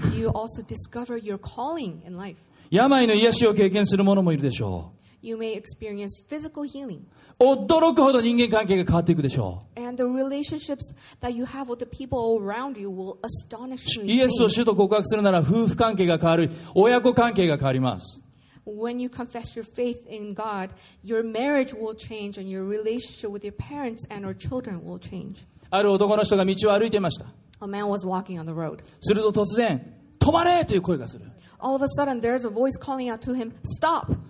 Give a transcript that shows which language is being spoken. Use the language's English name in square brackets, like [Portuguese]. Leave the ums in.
[English] also discover your calling in life. [Japanese] 病の癒しを経験する者もいるでしょう。 [English] You may experience physical healing. [Japanese] 驚くほど人間関係が変わっていくでしょう。 [English] And the relationships that you have with the people around you will astonish you. [Japanese] イエスを主と告白するなら夫婦関係が変わる、親子関係が変わります。 [English] when you confess your faith in God, your marriage will change and your relationship with your parents and your children will change. [Japanese] ある男の人が道を歩いていました。 [English] A man was walking on the road. [Japanese] すると突然、止まれという声がする。 [English] All there's a voice calling out to him, Stop!